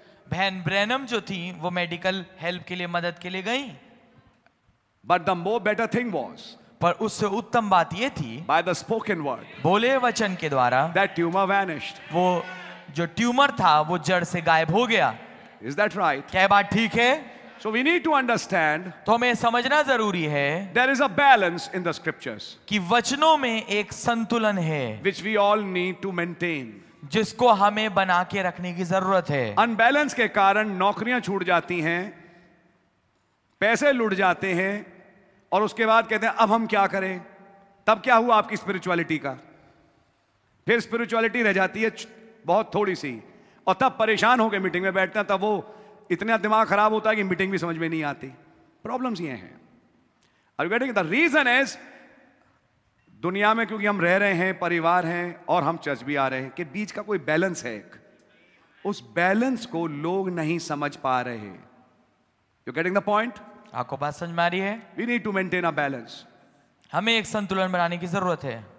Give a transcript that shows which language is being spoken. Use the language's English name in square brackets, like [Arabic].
[Hindi] बहन ब्रैनम जो थी वो मेडिकल हेल्प के लिए, मदद के लिए गई। [English] but the more better thing was, [Hindi] पर उससे उत्तम बात यह थी, [English] By the spoken word, [Hindi] बोले वचन के द्वारा, [English] that tumor vanished. [Hindi] वो जो ट्यूमर था वो जड़ से गायब हो गया। [English] Is that right? [Hindi] क्या बात ठीक है? [English] So we need to understand, [Hindi] तो हमें समझना जरूरी है, [English] there is a balance in the scriptures, [Hindi] कि वचनों में एक संतुलन है, [English] which we all need to maintain, [Hindi] जिसको हमें बना के रखने की जरूरत है। अनबैलेंस के कारण नौकरियां छूट जाती हैं, पैसे लुट जाते हैं, और उसके बाद कहते हैं अब हम क्या करें। तब क्या हुआ आपकी स्पिरिचुअलिटी का? फिर स्पिरिचुअलिटी रह जाती है बहुत थोड़ी सी, और तब परेशान होकर मीटिंग में बैठते हैं, तब वो इतना दिमाग खराब होता है कि मीटिंग भी समझ में नहीं आती। प्रॉब्लम्स ये हैं। [English] Are you getting? The reason is [Hindi] दुनिया में क्योंकि हम रह रहे हैं, परिवार हैं और हम चर्च भी आ रहे हैं, कि बीच का कोई बैलेंस है, एक उस बैलेंस को लोग नहीं समझ पा रहे. [English] You're getting the point? [Hindi] आपको बात समझ में आ रही है? [English] We need to maintain our balance. [Hindi] हमें एक संतुलन बनाने की जरूरत है.